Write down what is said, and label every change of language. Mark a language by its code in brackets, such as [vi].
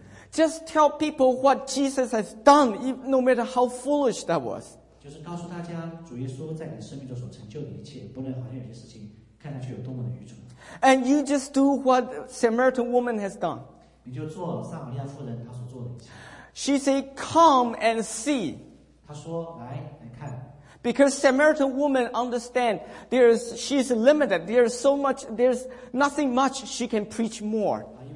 [en] Just tell people what Jesus has done, no matter how foolish that was. [zh] 就是告诉大家，主耶稣在你生命中所成就的一切，不论好像有些事情看上去有多么的愚蠢。 [en] And you just do what Samaritan woman has done. [zh] 你就做撒玛利亚妇人她所做的一切。 [en] She said, "Come and see." [zh] 她说，来，来看。 [en] Because Samaritan woman understand she's limited. There's so much. There's nothing much she can preach more.